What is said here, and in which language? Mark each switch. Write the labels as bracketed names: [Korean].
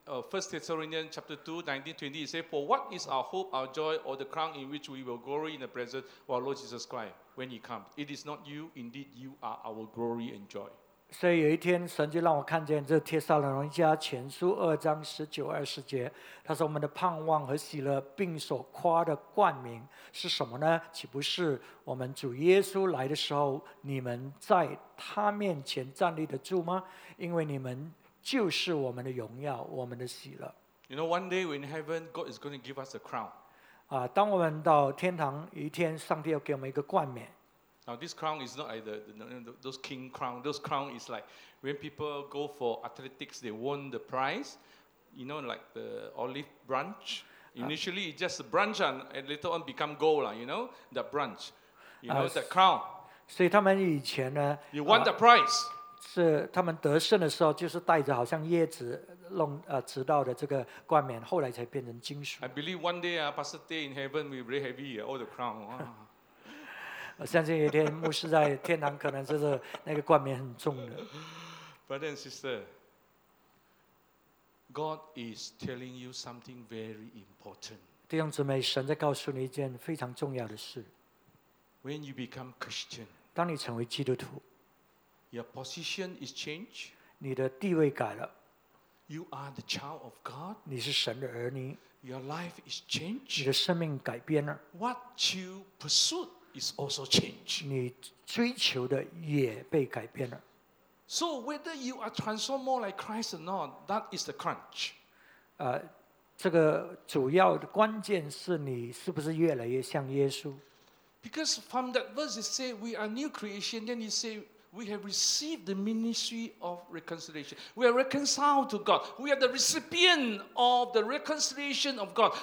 [English] First Thessalonians chapter 2, 19-20, it says, For what is our hope, our joy, or the crown in which we will glory in the presence of our Lord Jesus Christ when he comes? It is not you, indeed you are our glory and joy. [Chinese] 所以有一天神就让我看见这帖撒罗尼迦前书二章十九二十节，他说我们的盼望和喜乐并所夸的冠名是什么呢？岂不是我们主耶稣来的时候，你们在他面前站立得住吗？因为你们就是我们的荣耀，我们的喜乐。 [English] You know, one day in heaven, God is going to give us a crown. [Chinese] 当我们到天堂一天，上帝要给我们一个冠冕。 [English] Now this crown is not like those king crown. Those crown is like when people go for athletics, they won the prize. You know, like the olive branch. Initially, it's just a branch, and later on become gold, you know, that branch. You know, that crown. [Chinese] 所以他们以前呢, [English] you won the prize. [Chinese] 是他们得胜的时候就是带着好像叶子弄直到的这个冠冕 后来才变成金属 [English] I believe one day Pastor Tay in heaven will be very heavy all the crown [Chinese] 我相信有一天牧师在天堂可能就是那个冠冕很重的 [English] Brother and sister God is telling you something very important [Chinese] 弟兄姊妹神在告诉你一件非常重要的事 [English] When you become Christian [Chinese] 当你成为基督徒 [English] Your position is changed. [Chinese] 你的地位改了。 [English] You are the child of God. [Chinese] 你是神的儿女。 [English] Your life is changed. [Chinese] 你的生命改变了。 [English] What you pursue is also changed. [Chinese] 你追求的也被改变了。 [English] So whether you are transformed more like Christ or not, that is the crunch. [Chinese] 这个主要的关键是你是不是越来越像耶稣。 [English] Because from that verse it says we are new creation, then you say, We have received the ministry of reconciliation. We are reconciled to God. We are the recipient of the reconciliation of God.